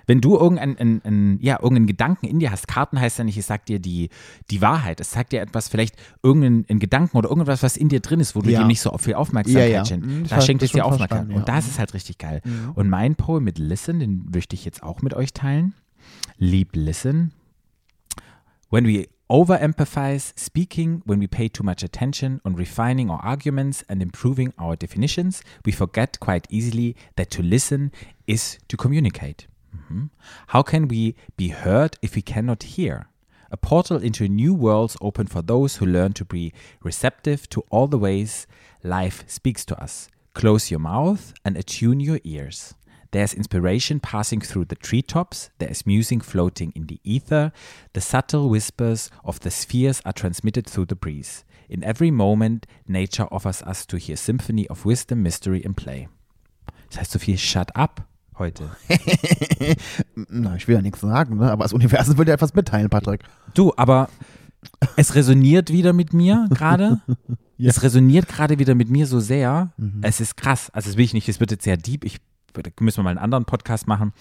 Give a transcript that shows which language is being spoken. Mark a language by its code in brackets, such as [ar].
[de] Wenn du irgendeinen Gedanken in dir hast, Karten heißt ja nicht, es sagt dir die Wahrheit. Es zeigt dir etwas, vielleicht irgendeinen Gedanken oder irgendwas, was in dir drin ist, wo du dir nicht so viel Aufmerksamkeit schenkst. Da schenkt es dir Aufmerksamkeit. Und das ist halt richtig geil. Ja. Und mein Poem mit Listen, den möchte ich jetzt auch mit euch teilen. [en] Lieb Listen. When we over-empathize speaking, when we pay too much attention on refining our arguments and improving our definitions, we forget quite easily that to listen is to communicate. Mm-hmm. How can we be heard if we cannot hear? A portal into new worlds open for those who learn to be receptive to all the ways life speaks to us. Close your mouth and attune your ears. There's inspiration passing through the treetops. There's music floating in the ether. The subtle whispers of the spheres are transmitted through the breeze. In every moment, nature offers us to hear symphony of wisdom, mystery and play. [de] Das heißt so viel, [en] shut up [de] heute. Na, ich will ja nichts sagen, ne? Aber das Universum will dir etwas mitteilen, Patrick. Du, aber es resoniert wieder mit mir gerade. Ja. Es resoniert gerade wieder mit mir so sehr. Mhm. Es ist krass. Also das will ich nicht, es wird jetzt sehr deep. Da müssen wir mal einen anderen Podcast machen.